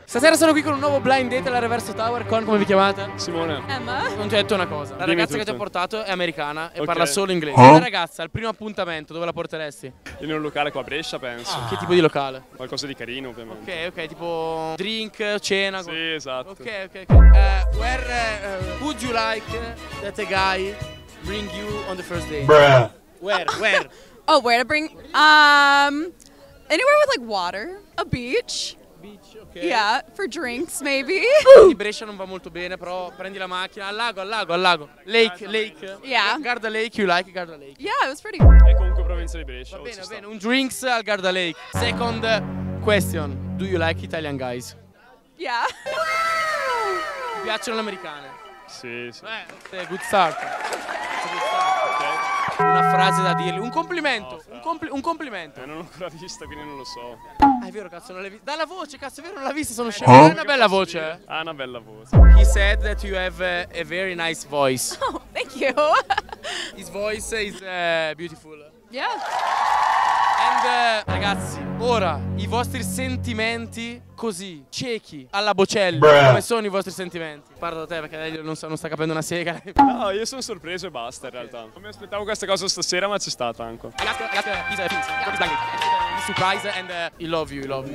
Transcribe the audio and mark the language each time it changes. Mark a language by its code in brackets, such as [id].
[it] Stasera sono qui con un nuovo blind date alla Reverso Tower con, come vi chiamate? Simone. Emma. Non ti ho detto una cosa, la ragazza che ti ha portato è americana e parla solo inglese. Oh? La ragazza, al primo appuntamento, dove la porteresti? In un locale qua a Brescia, penso. Che tipo di locale? Qualcosa di carino, ovviamente. Ok, ok, tipo drink, cena. Sì, esatto. Ok, ok, ok. [en] Where would you like that a guy bring you on the first date? Bruh. Where? Oh, where to bring? Anywhere with like water, a beach. Beach, okay. Yeah, for drinks maybe. [it] Di Brescia non va molto bene, però prendi la macchina, al lago. [en] Lake. Yeah. Garda Lake, you like Garda Lake? Yeah, it was pretty. [it] È comunque provincia di Brescia. Va bene. Un drinks al Garda Lake. [en] Second question. Do you like Italian guys? Yeah. Wow. [it] Ti piacciono le americane? Sì. [en] Beh, good start. [it] Una frase da dirgli, un complimento, un complimento. Non l'ho ancora vista, quindi non lo so. Ah, è vero, cazzo, non l'hai vista. Dalla voce, cazzo, è vero, non l'ha vista, sono scemo. Oh. Ha una bella voce. [en] He said that you have a very nice voice. Oh, thank you. His voice is beautiful. Yeah. [it] And ragazzi, ora, i vostri sentimenti così, ciechi, alla Bocelli. Come sono i vostri sentimenti? Parlo da te perché lei non sta capendo una sega. No, io sono sorpreso e basta in realtà. Non mi aspettavo questa cosa stasera, ma c'è stata anche. [en] Ragazzi, surprise and I love you.